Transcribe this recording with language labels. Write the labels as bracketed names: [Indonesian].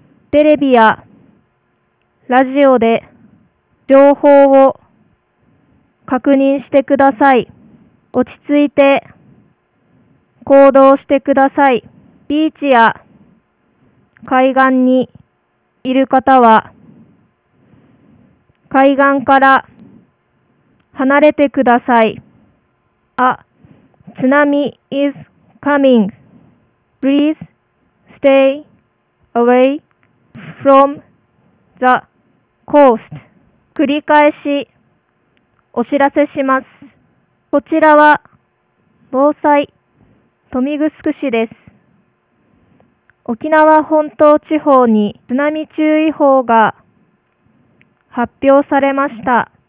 [Japanese] テレビやラジオで情報を確認してください。落ち着いて行動してください。ビーチや海岸にいる方は海岸から離れてください。 [English] あ、津波 is coming. Please stay away from the coast. [Japanese] 繰り返しお知らせします。こちらは防災豊見城市です。沖縄本島地方に津波注意報が発表されました。